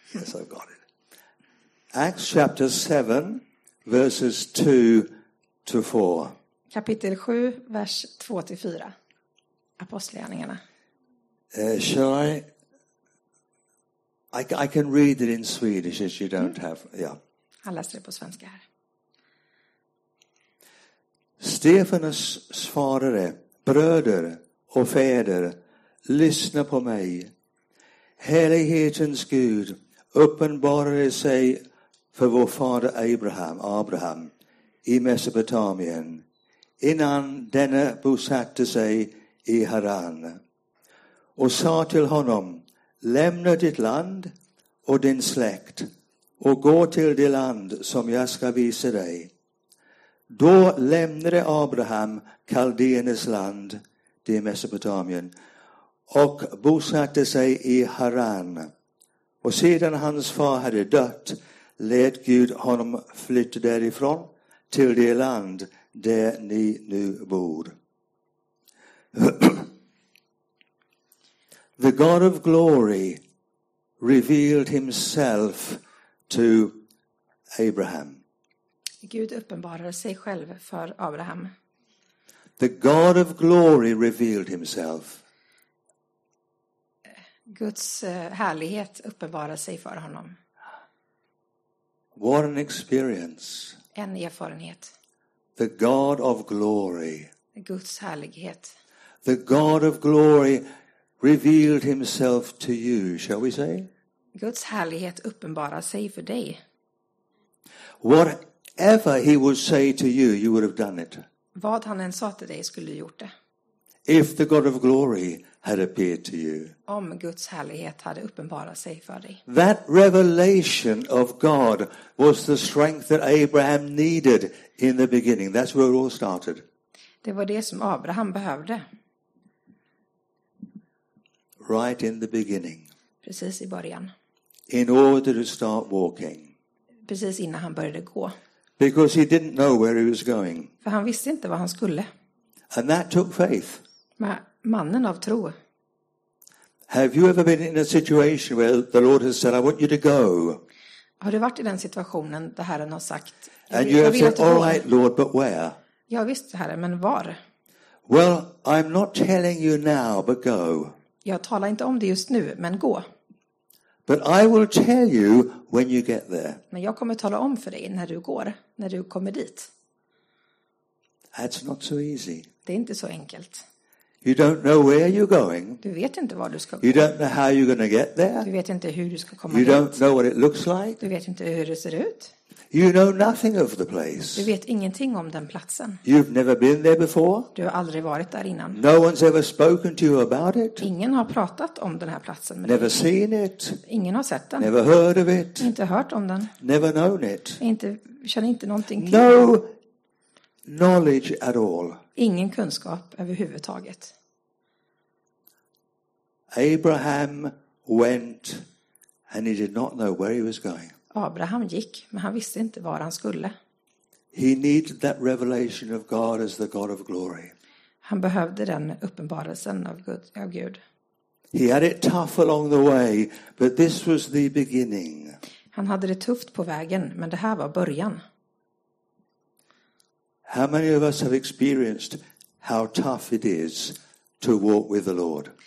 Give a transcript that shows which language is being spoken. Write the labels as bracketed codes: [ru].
[en] Yes, I've got it. Acts chapter 7, verses 2 to 4. [sv] Kapitel 7, vers 2 till 4. Apostlagärningarna. [en] Shall I I can read it in Swedish if you don't have. Yeah. [sv] Jag läser det på svenska här. Stefanus svarade: bröder och fäder, lyssna på mig. Helighetens Gud uppenbarade sig för vår fader Abraham i Mesopotamien innan denne bosatte sig i Haran och sa till honom: lämna ditt land och din släkt och gå till det land som jag ska visa dig. Då lämnade Abraham Kaldéernas land, det är Mesopotamien, och bosatte sig i Haran. Och sedan hans far hade dött led Gud honom flytta därifrån till det land där ni nu bor. [en] The God of glory revealed himself to Abraham. [sv] Gud uppenbarade sig själv för Abraham. [en] The God of glory revealed himself. [sv] Guds härlighet uppenbarade sig för honom. [en] What an experience. [sv] En erfarenhet. [en] The God of glory. [sv] Guds härlighet. [en] The God of glory revealed himself to you, shall we say? [sv] Guds härlighet uppenbarade sig för dig. [en] Whatever he would say to you, you would have done it. [sv] Vad han än sa till dig skulle du gjort det. [en] If the God of glory had appeared to you. [sv] Om Guds härlighet hade uppenbarat sig för dig. [en] That revelation of God was the strength that Abraham needed in the beginning. That's where it all started. [sv] Det var det som Abraham behövde. [en] Right in the beginning. [sv] Precis i början. [en] In order to start walking. [sv] Precis innan han började gå. [en] Because he didn't know where he was going. [sv] För han visste inte vad han skulle. [en] And that took faith. [sv] Mannen av tro. [en] Have you ever been in a situation where the Lord has said, I want you to go? [sv] Har du varit i den situationen där Herren har sagt, [en] and you have said, all right, Lord, but where? [sv] Ja visst, Herre, men var? [en] Well, I'm not telling you now, but go. [sv] Jag talar inte om det just nu, men gå. [en] But I will tell you when you get there. [sv] Men jag kommer tala om för dig när du går, när du kommer dit. [en] That's not so easy. [sv] Det är inte så enkelt. [en] You don't know where you're going. [sv] Du vet inte var du ska gå. [en] You don't know how you're going to get there. [sv] Du vet inte hur du ska komma [en] you [sv] dit. [en] You don't know what it looks like. [sv] Du vet inte hur det ser ut. [en] You know nothing of the place. [sv] Du vet ingenting om den platsen. [en] You've never been there before. [sv] Du har aldrig varit där innan. [en] No one's ever spoken to you about it. [sv] Ingen har pratat om den här platsen. [en] Never seen it. [sv] Ingen har sett den. [en] Never heard of it. [sv] Inte hört om den. [en] Never known it. [sv] Inte känner inte någonting till. [en] No knowledge at all. [sv] Ingen kunskap överhuvudtaget. [en] Abraham went and he did not know where he was going. [sv] Abraham gick, men han visste inte var han skulle. [en] He needed that revelation of God as the God of glory. [sv] Han behövde den uppenbarelsen av Gud. [en] He had it tough along the way, but this was the beginning. [sv] Han hade det tufft på vägen, men det här var början. [en] How many of us have experienced how tough it is to walk with the Lord?